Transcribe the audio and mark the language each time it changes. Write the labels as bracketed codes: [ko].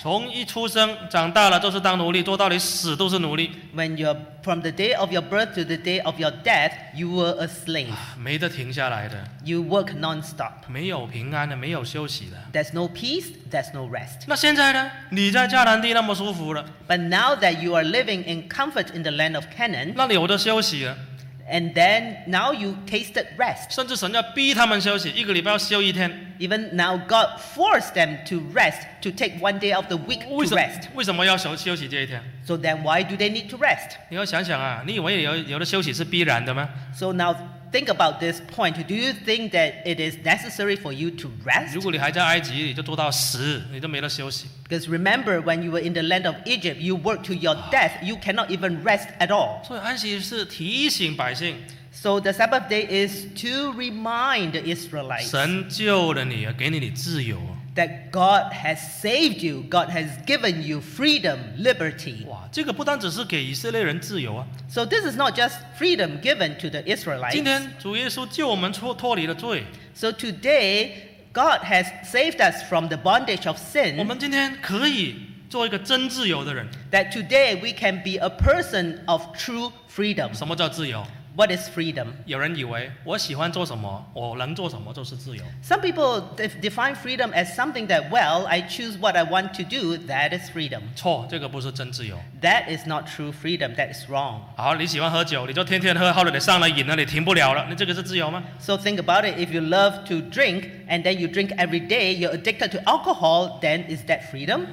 [zh] 从一出生长大了都是当奴隶，做到你死都是奴隶。 [en] When you're from the day of your birth to the day of your death, you were a slave. [zh] 没得停下来的。 [en] You work non-stop. [zh] 没有平安的，没有休息的。 [en] There's no peace, there's no rest. [zh] 那现在呢？你在迦南地那么舒服了。 [en] But now that you are living in comfort in the land of Canaan, [zh] 那里有的休息了。 [en] And then now you tasted rest. [zh] 甚至神要逼他们休息，一个礼拜要休一天。 [en] Even now God forced them to rest, to take one day of the week to rest. [zh] 为什么要休息这一天? [en] So then why do they need to rest? [zh] 你要想想啊, 你以为有的休息是必然的吗? [en] So now think about this point. Do you think that it is necessary for you to rest? [zh] 如果你还在埃及, 你就做到死, 你都没得休息。 [en] Because remember, when you were in the land of Egypt, you worked to your death, you cannot even rest at all. [zh] 所以安息是提醒百姓。 [en] So the Sabbath day is to remind the Israelites [zh] 神救了你, 给你自由, [en] that God has saved you, God has given you freedom, liberty. [zh] 哇, [en] so this is not just freedom given to the Israelites. So today, God has saved us from the bondage of sin. [zh] 我们今天可以做一个真自由的人。 [en] That today we can be a person of true freedom. [zh] 什么叫自由? [en] What is freedom? [zh] 有人以为我喜欢做什么，我能做什么就是自由。 [en] Some people define freedom as something that, well, I choose what I want to do, that is freedom. [zh] 错，这个不是真自由。 [en] That is not true freedom, that is wrong. [zh] 好，你喜欢喝酒，你就天天喝，后来你上了瘾了，你停不了了，那这个是自由吗？ [en] So think about it, if you love to drink, and then you drink every day, you're addicted to alcohol, then is that freedom?